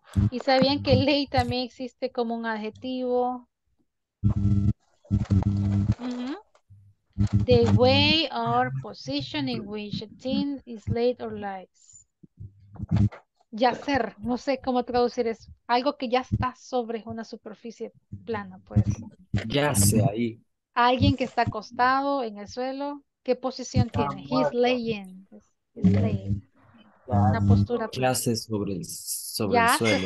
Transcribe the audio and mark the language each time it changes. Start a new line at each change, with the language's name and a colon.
Spanish: ¿Y sabían que lay también existe como un adjetivo?
English: The way or position in which a thing is laid or lies.
Spanish: Yacer, no sé cómo traducir eso. Algo que ya está sobre una superficie plana, pues. Yace ahí. Alguien que está acostado en el suelo, ¿qué posición tiene? Muerto.
English: He's laying. He's laying.
Spanish: Una postura. Yace sobre el suelo. Yace